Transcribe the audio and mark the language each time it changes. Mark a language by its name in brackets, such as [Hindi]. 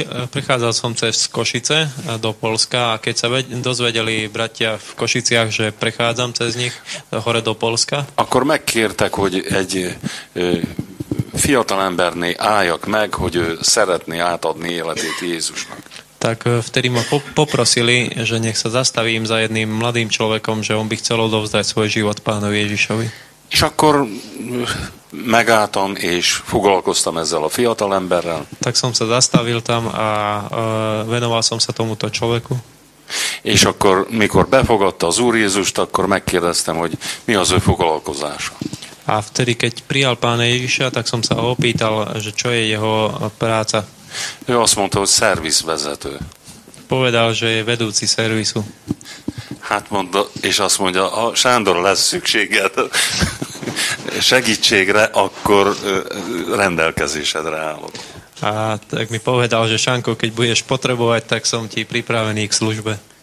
[Slovak] Prichádzal som cez Košice do Polska a keď sa dozvedeli bratia v Košiciach, že prechádzam cez nich hore do Polska. [Hungarian] Akkor megkértek, hogy egy fiatalemberné álljak meg, hogy szeretné átadni életét Jézusnak. [Slovak] Tak vtedy ma poprosili, že nech sa zastavím za jedným mladým človekom, že on by chcel odovzdať svoj život Pánovi Ježišovi. [Hungarian] És akkor megálltam és foglalkoztam ezzel a fiatalemberrel. [Slovak] Tak som sa zastavil tam a venoval som sa tomuto človeku. [Hungarian] És akkor, mikor befogadta az Úr Jézust, akkor megkérdeztem, hogy mi az ő foglalkozása. [Slovak] A vtedy, keď prijal Pána Ježiša, tak som sa opýtal, že čo je jeho práca. [Hungarian] Ő azt mondta, hogy szervizvezető. [Slovak] Povedal, že je vedúci szervizu. [Hungarian] Hát mondta, és azt mondja, ha Sándor lesz szükséged segítségre, akkor rendelkezésedre állok. [Slovak] A tak mi povedal, že Sánko, keď budeš potrebovať, tak som ti pripravený k službe.